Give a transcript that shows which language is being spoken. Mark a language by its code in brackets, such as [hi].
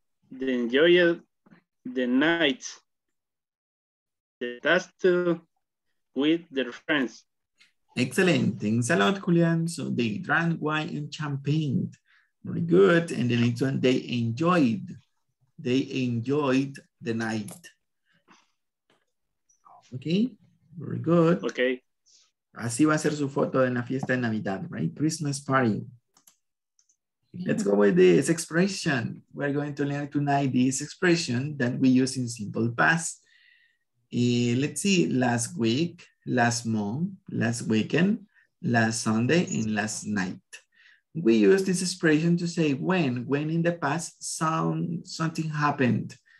[en] They enjoyed the night. They danced with their friends. Excellent. Thanks a lot, Julian. So they drank wine and champagne. Very good. And the next one, they enjoyed the night. Okay, very good. Okay. [es] Así va a ser su foto en la fiesta de Navidad, right? [en] Christmas party. Let's go with this expression. We're going to learn tonight this expression that we use in simple past. Let's see, last week, last month, last weekend, last Sunday, and last night. We use this expression to say when in the past something happened.